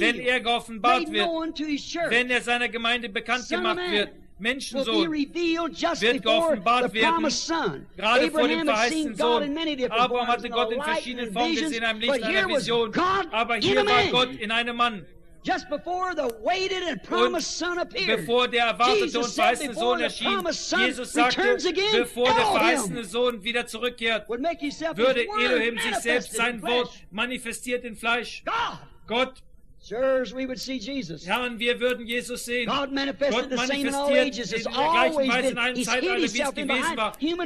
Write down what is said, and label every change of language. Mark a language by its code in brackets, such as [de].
[de] wenn er geoffenbart wird, wenn er seiner Gemeinde bekannt [en] son [de] gemacht wird. Menschensohn wird geoffenbart werden, gerade vor dem verheißten Sohn. Abraham hatte Gott in verschiedenen Formen gesehen, in einem Licht, einer Vision, aber hier war Gott in einem Mann. [en] Just before the waited and promised Son appeared, [de] bevor der erwartete und verheißene Sohn erschien, Jesus sagte, bevor der verheißene Sohn wieder zurückkehrt, würde Elohim sich selbst sein Wort manifestiert in Fleisch. Gott, Herr, wir würden Jesus sehen. Gott manifestiert in der gleichen Weise in allen Zeitaltern, wie es gewesen war.